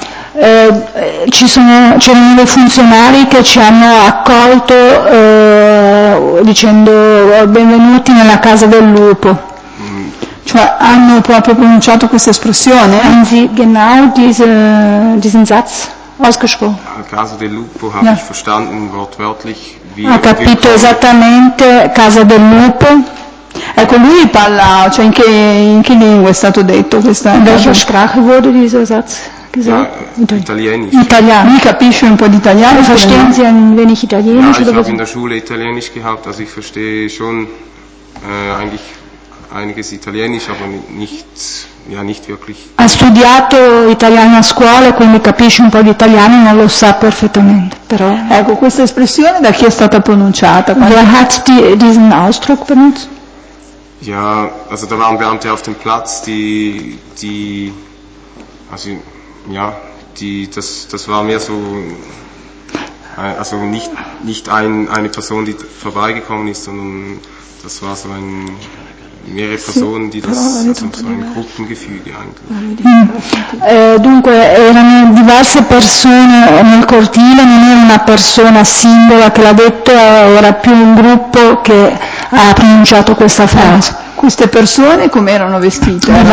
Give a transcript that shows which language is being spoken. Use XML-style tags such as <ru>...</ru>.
<it>C'erano dei funzionari che ci hanno accolto dicendo benvenuti nella casa del lupo. Cioè hanno proprio pronunciato questa espressione.</it> <de>Haben Sie genau diesen Satz ausgesprochen?</de> <it>A casa del lupo,</it> <de>habe ich verstanden, wortwörtlich.</de> <it>Ha capito esattamente casa del lupo. Ecco, lui parla, cioè in che lingua è stato detto questa?</it> <de>In welcher Sprache wurde dieser Satz gesagt? Italienisch.</de> <it>Lui capisce un po' di italiano.</it> <de>Verstehen Sie ein wenig italienisch? Ja, ich habe in der Schule italienisch gehabt, also ich verstehe schon eigentlich einiges italienisch, aber nicht, ja, nicht wirklich.</de> <it>Ha studiato italiano a scuola, quindi capisce un po' di italiano, non lo sa perfettamente, però. Ecco, questa espressione da chi è stata pronunciata?</it> <de>Wer hat diesen Ausdruck benutzt? Ja, also da waren Beamte auf dem Platz, die also ja, die das war mehr so, also nicht eine Person, die vorbeigekommen ist, sondern das war so ein mehrere Personen, die das, also so ein Gruppengefüge eigentlich.</de> <it>Dunque erano diverse persone nel cortile, non era una persona singola che l'ha detto, era più un gruppo che ha pronunciato questa frase. Queste persone come erano vestite?</it>